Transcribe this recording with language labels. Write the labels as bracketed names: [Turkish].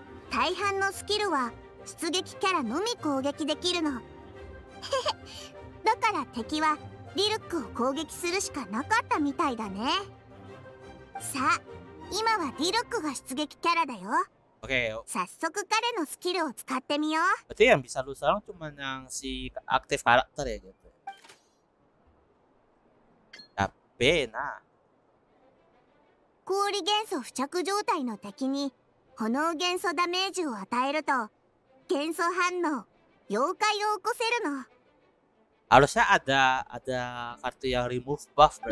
[Japanese] 大半のスキルは出撃キャラのみ攻撃できるの。だから敵はリルックを攻撃するしかなかったみたいだね。さあ、今はリルックが出撃キャラだよ。 [English] Okay. [Japanese] 早速彼のスキルを使ってみよう。 [Indonesian] Berarti yang bisa lu sekarang cuma yang si aktif karakter ya gitu. Tapi nah. [Japanese] 氷元素付着状態の敵に炎元素ダメージを与えると元素反応妖怪を起こせるの。 [Indonesian] Harusnya ada kartu yang [English] remove buff [Indonesian] berarti.